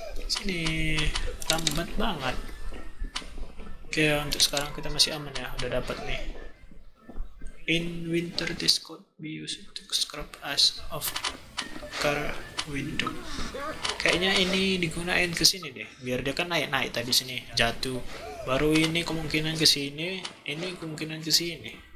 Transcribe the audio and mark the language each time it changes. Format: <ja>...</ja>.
<id>Sini. Lambat banget. Oke, untuk sekarang kita masih aman ya. Udah dapat nih.</id> <en>In winter, this could be used to scrub ice off car window.</en> <id>Kayaknya ini digunain ke sini deh, biar dia kan naik-naik tadi sini jatuh. Baru ini kemungkinan ke sini, ini kemungkinan ke sini.</id>